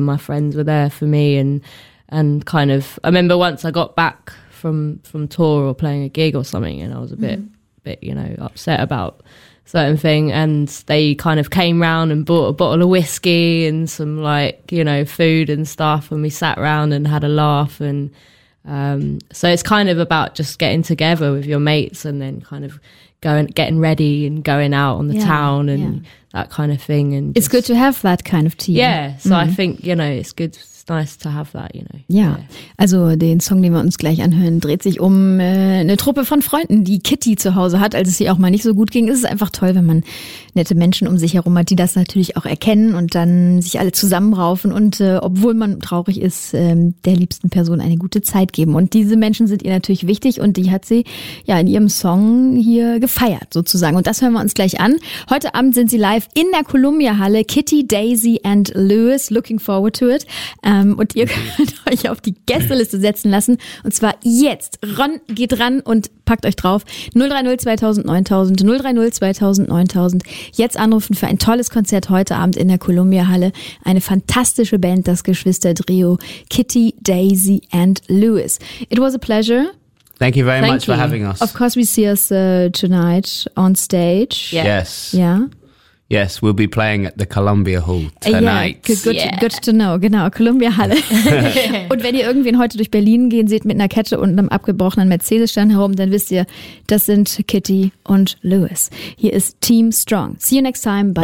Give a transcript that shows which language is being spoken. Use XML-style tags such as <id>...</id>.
<en>My friends were there for me and kind of, I remember once I got back from tour or playing a gig or something and I was a bit, you know, upset about certain thing, and they kind of came round and bought a bottle of whiskey and some, like, you know, food and stuff, and we sat round and had a laugh. And so it's kind of about just getting together with your mates and then kind of getting ready and going out on the town and that kind of thing. And it's good to have that kind of team. Yeah, so I think, you know, it's good. Nice to have that, you know.</en> <de>Ja, also den Song, den wir uns gleich anhören, dreht sich um eine Truppe von Freunden, die Kitty zu Hause hat, als es ihr auch mal nicht so gut ging. Es ist einfach toll, wenn man nette Menschen um sich herum hat, die das natürlich auch erkennen und dann sich alle zusammenraufen und obwohl man traurig ist, der liebsten Person eine gute Zeit geben. Und diese Menschen sind ihr natürlich wichtig und die hat sie ja in ihrem Song hier gefeiert sozusagen. Und das hören wir uns gleich an. Heute Abend sind sie live in der Columbia-Halle.</de> <en>Kitty, Daisy and Lewis, looking forward to it.</en> <de>Und ihr könnt euch auf die Gästeliste setzen lassen. Und zwar jetzt. Ron, geht ran und packt euch drauf. 030-2000-9000. Jetzt anrufen für ein tolles Konzert heute Abend in der Columbia-Halle. Eine fantastische Band, das Geschwister-Trio Kitty, Daisy and Lewis.</de> <en>It was a pleasure. Thank you very much for having us. Of course, we see us tonight on stage. Yeah. Yes. Yeah. Yes, we'll be playing at the Columbia Hall tonight. Yeah, good to know. Genau, Columbia Halle.</en> <de>Und wenn ihr irgendwen heute durch Berlin gehen seht mit einer Kette und einem abgebrochenen Mercedes-Stern herum, dann wisst ihr, das sind Kitty und Lewis. Hier ist Team Strong.</de> <en>See you next time. Bye.</en>